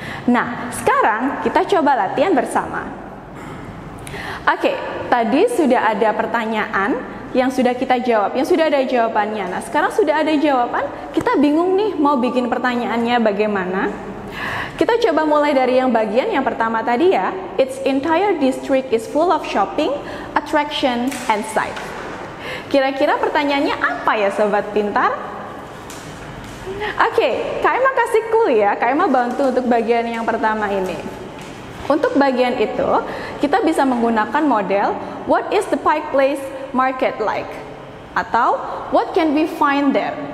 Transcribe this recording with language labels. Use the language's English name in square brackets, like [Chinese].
[Indonesian] Nah, sekarang kita coba latihan bersama. Oke, tadi sudah ada pertanyaan yang sudah kita jawab, yang sudah ada jawabannya. Nah, sekarang sudah ada jawaban, kita bingung nih mau bikin pertanyaannya bagaimana. Kita coba mulai dari yang bagian yang pertama tadi ya. [English] Its entire district is full of shopping, attraction, and sight. [Indonesian] Kira-kira pertanyaannya apa ya, sobat pintar? Oke, Kak Emma kasih clue ya, Kak Emma bantu untuk bagian yang pertama ini. Untuk bagian itu, kita bisa menggunakan model [English] What is the Pike Place market like? Atau what can we find there?